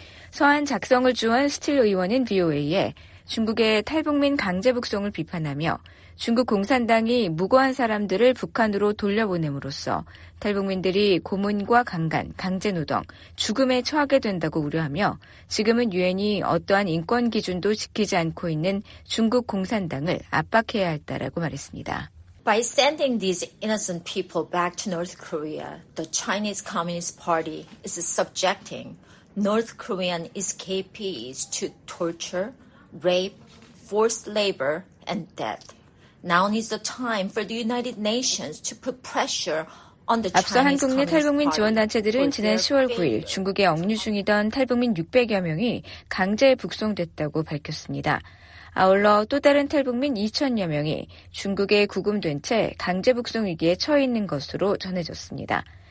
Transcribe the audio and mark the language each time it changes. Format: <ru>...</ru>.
<ko>서한 작성을 주원 스틸 의원은 BOA에 중국의 탈북민 강제북송을 비판하며 중국 공산당이 무고한 사람들을 북한으로 돌려보냄으로써 탈북민들이 고문과 강간, 강제노동, 죽음에 처하게 된다고 우려하며 지금은 유엔이 어떠한 인권 기준도 지키지 않고 있는 중국 공산당을 압박해야 했다라고 말했습니다.</ko> <en>By sending these innocent people back to North Korea, the Chinese Communist Party is subjecting North Korean escapees to torture, rape, forced labor, and death. Now is the time for the United Nations to put pressure on the Chinese.</en> <ko>앞서 한국 내 탈북민 지원 단체들은 지난 10월 9일 중국에 억류 중이던 탈북민 600여 명이 강제 북송됐다고 밝혔습니다. 아울러 또 다른 탈북민 2000여 명이 중국에 구금된 채 강제 북송 위기에 처해 있는 것으로 전해졌습니다.</ko>